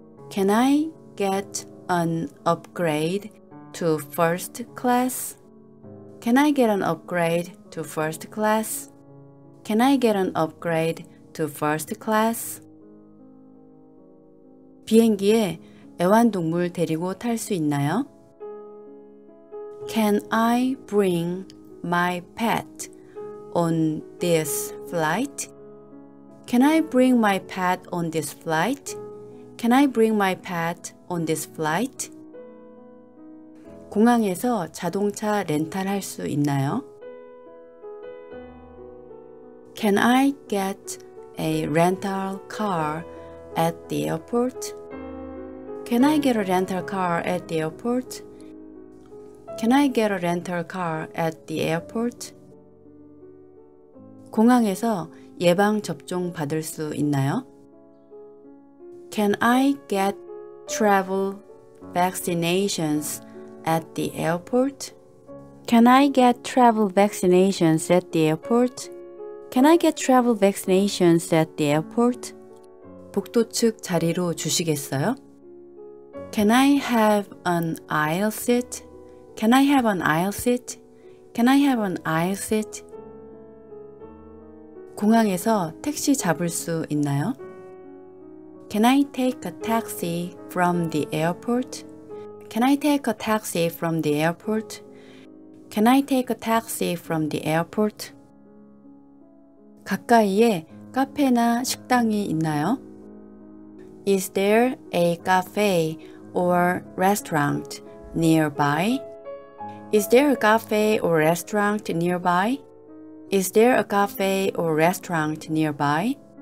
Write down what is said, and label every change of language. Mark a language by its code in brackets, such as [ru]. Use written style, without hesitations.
[en] Can I get an upgrade to first class? Can I get an upgrade to first class? Can I get an upgrade to first class? [ko] 비행기에 애완동물 데리고 탈 수 있나요? [en] Can I bring my pet on this flight? Can I bring my pet on this flight? Can I bring my pet on this flight? [ko] 공항에서 자동차 렌탈할 수 있나요? [en] Can I get a rental car at the airport? Can I get a rental car at the airport? Can I get a rental car at the airport? [ko] 공항에서 예방 접종 받을 수 있나요? [en] Can I get travel vaccinations at the airport? Can I get travel vaccinations at the airport? Can I get travel vaccinations at the airport? [ko] 복도 측 자리로 주시겠어요? [en] Can I have an aisle seat? Can I have an aisle seat? Can I have an aisle seat? [ko] 공항에서 택시 잡을 수 있나요? [en] Can I take a taxi from the airport? Can I take a taxi from the airport? Can I take a taxi from the airport? [ko] 가까이에 카페나 식당이 있나요? [en] Is there a cafe or restaurant nearby? Is there a cafe or restaurant nearby? Is there a cafe or restaurant nearby?